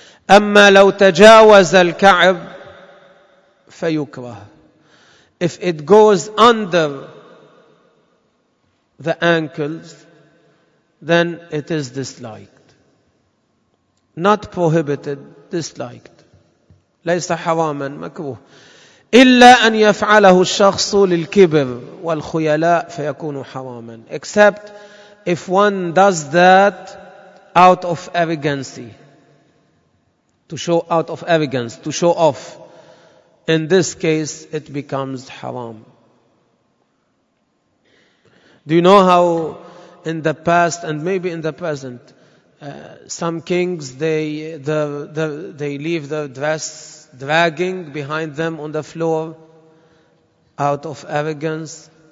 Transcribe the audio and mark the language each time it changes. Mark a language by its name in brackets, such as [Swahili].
[Arabic] أما لو تجاوز الكعب فيكره. [English] If it goes under the ankles, then it is disliked. Not prohibited, disliked. [Arabic] ليس حراما مكروه. إلا أن يفعله الشخص للكبر والخيلاء فيكون حراما. [English] Except if one does that out of arrogancy. To show out of arrogance, to show off. In this case, it becomes haram. Do you know how in the past and maybe in the present, some kings, they leave their dress dragging behind them on the floor out of arrogance?